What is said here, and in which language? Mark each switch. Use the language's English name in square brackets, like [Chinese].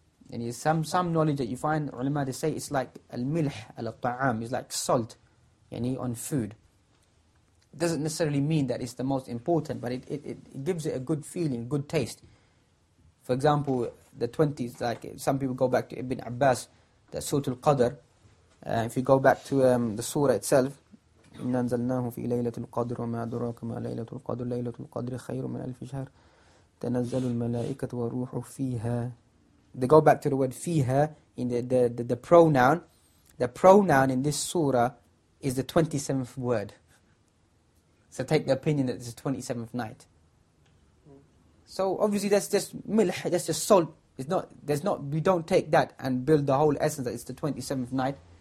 [English] And some knowledge that you find, ulama they say it's like al-milh al-ta'am, it's like salt yani on food. It doesn't necessarily mean that it's the most important, but it gives it a good feeling, good taste. For example, the 20s, like some people go back to Ibn Abbas, the Surah Al-Qadr. If you go back to the surah itself, [Arabic] إِنَّا نَزَلْنَاهُ فِي لَيْلَةُ الْقَدْرِ وَمَا أَدْرَاكَ مَا لَيْلَةُ الْقَدْرِ لَيْلَةُ الْقَدْرِ خَيْرٌ مِنْ أَلْفِ شَهْرٍ تَنَزَّلُ الْمَلَائِكَةُ وَالرُّوحُ فِيهَا [English] they go back to the word fiha in the pronoun. The pronoun in this surah is the 27th word. So take the opinion that it's the 27th night. So obviously that's just milh, that's just salt. It's not, there's not, we don't take that and build the whole essence that it's the 27th night.